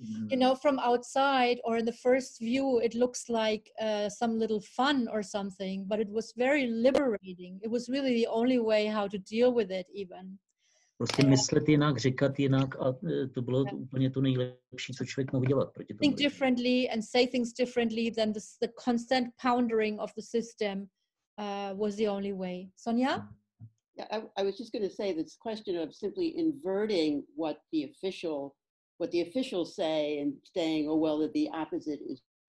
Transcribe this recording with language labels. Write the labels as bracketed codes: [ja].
[en] You know, from outside or in the first view, it looks like some little fun or something, but it was very liberating. It was really the only way how to deal with it even. [cs] Prostě myslet jinak, říkat jinak a to bylo úplně to nejlepší, co člověk mohl dělat proti tomu. [en] Think differently and say things differently than the constant pondering of the system was the only way. Sonia? Yeah, I was just going to say this question of simply inverting what the officials say and saying, oh, well, that the opposite is...